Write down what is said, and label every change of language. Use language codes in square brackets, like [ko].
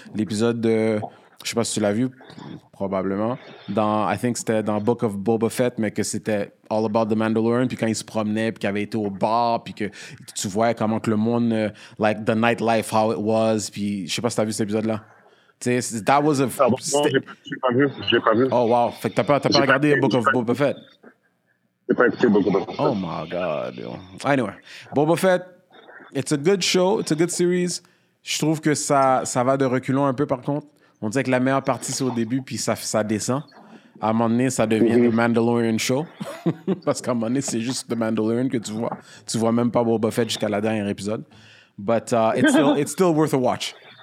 [fr] L'épisode de, je sais pas si tu l'as vu, probablement, dans, I think c'était dans Book of Boba Fett, mais que c'était all about the Mandalorian, puis quand il se promenait, puis qu'il avait été au bar, puis que tu voyais comment que le monde, [en] like the nightlife, how it was, [fr] puis je sais pas si t'as vu cet épisode-là. T'sais, [en] that was a... [fr] Non, j'ai pas vu. [en] Oh wow, [fr] fait que t'as pas regardé Book of Boba Fett? J'ai pas écouté Boba Fett. [en] Oh my god, yo. Anyway, Boba Fett, it's a good show, it's a good series. [fr] Je trouve que ça va de reculons un peu, par contre. On dirait que la meilleure partie, c'est au début, puis ça descend. À un moment donné, ça devient le Mandalorian show. Parce qu'à un moment donné, c'est juste le Mandalorian que tu vois. Tu vois même pas Boba Fett jusqu'à la dernière épisode. [en] But it's still worth a watch.